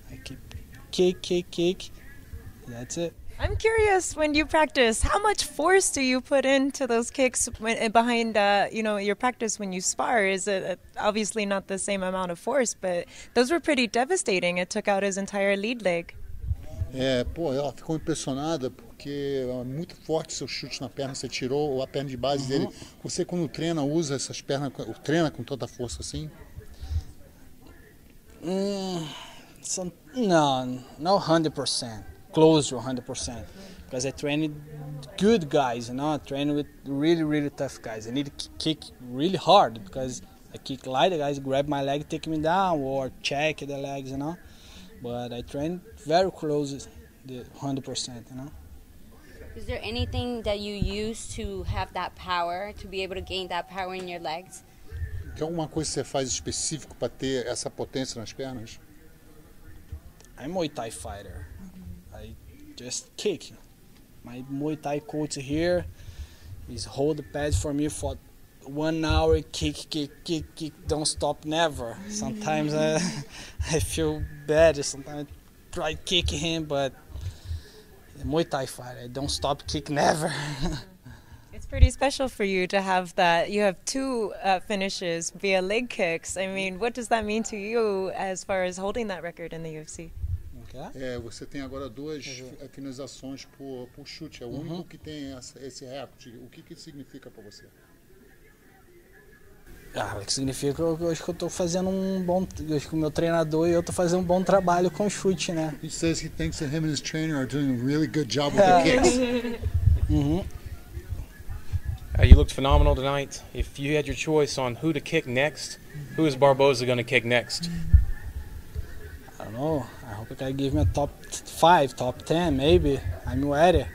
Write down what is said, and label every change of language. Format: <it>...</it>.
<en>I keep kick. That's it. I'm curious, when you practice, how much force do you put into those kicks your practice when you spar? Is it obviously not the same amount of force, but those were pretty devastating. It took out his entire lead leg.</en> <pt>Ela ficou impressionada porque é muito forte seu chute na perna. Você tirou a perna de base dele. Você, quando treina, usa essas pernas, treina com tanta força assim?</pt> <en>No, 100%. Close to 100%, because I train good guys, you know. I train with really, really tough guys. I need to kick really hard, because I kick light, the guys grab my leg, take me down, or check the legs, you know. But I train very close to 100%, you know. Is there anything that you use to have that power, to be able to gain that power in your legs?</en> <pt>Tem alguma coisa que você faz específico para ter essa potência nas pernas?</pt> <en>I'm a Muay Thai fighter. Just kick. My Muay Thai coach here is hold the pads for me for 1 hour, kick, don't stop, never. Sometimes I feel bad, sometimes I try kicking him, but Muay Thai fighter, I don't stop, kick, never. It's pretty special for you to have that. You have two finishes via leg kicks. I mean, what does that mean to you as far as holding that record in the UFC?</en> <pt>Você tem agora duas finalizações por chute. É o único que tem esse recorde. O que significa para você? Significa que eu acho que eu estou fazendo um bom... Acho que o meu treinador e eu estou fazendo um bom trabalho com chute, né?</pt> <en>He says he thinks that him and his trainer are doing a really good job with the kicks. You looked phenomenal tonight. If you had your choice on who to kick next, who is Barboza going to kick next? I don't know. I hope I give me a top 5, top 10, maybe. I'm ready.</en>